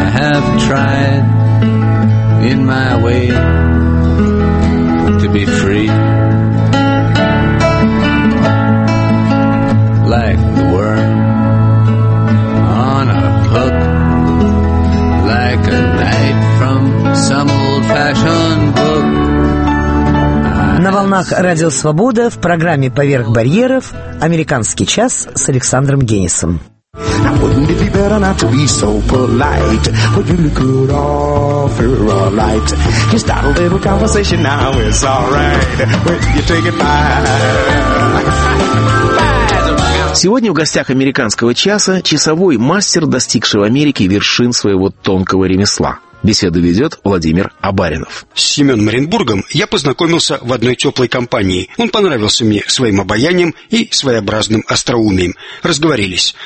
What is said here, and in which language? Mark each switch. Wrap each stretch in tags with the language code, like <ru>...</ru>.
<en>I've tried in my way to be free, like the worm on a hook, like a knife from some old-fashioned book.</en> <ru>На волнах Радио Свобода в программе «Поверх барьеров» «Американский час» с Александром Генисом.</ru> <en>Wouldn't it be better not to be so polite? But you could offer a light. Just start a little conversation now, it's alright. When you take it by.</en> <ru>Сегодня в гостях американского часа часовой мастер, достигший в Америке вершин своего тонкого ремесла. Беседу ведет Владимир Абаринов. С Семеном Оренбургом я познакомился в одной теплой компании. Он понравился мне своим обаянием и своеобразным остроумием. Разговорились.</ru>